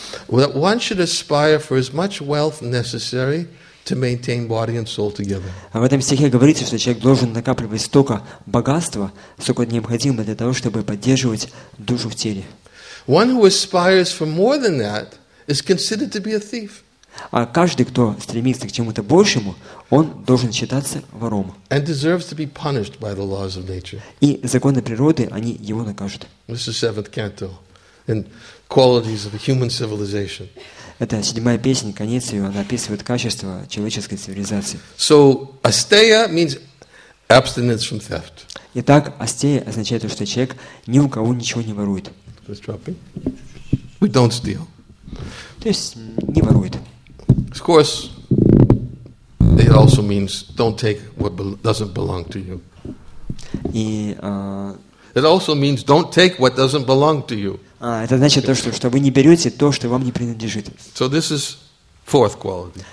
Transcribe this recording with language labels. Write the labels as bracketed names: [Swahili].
[English] That one should aspire for as much wealth necessary to maintain body and soul together. [Russian] В этом стихе говорится, что человек должен накапливать столько богатства, сколько необходимо для того, чтобы поддерживать душу в теле. [English] One who aspires for more than that is considered to be a thief. [Russian] А каждый, кто стремится к чему-то большему, он должен считаться вором. [English] And deserves to be punished by the laws of nature. [Russian] И законы природы, они его накажут. [English] This is seventh canto in qualities of a human civilization. [Russian] Это седьмая песня, конец ее, она описывает качество человеческой цивилизации. [English] So asteya means abstinence from theft. [Russian] Итак, астея означает то, что человек ни у кого ничего не ворует. [English] We don't steal. [Russian] То есть не ворует. [English] Of course, it also means don't take what doesn't belong to you. It also means don't take what doesn't belong to you. [Russian] Это значит то, что вы не берете то, что вам не принадлежит. [English] So this is fourth quality.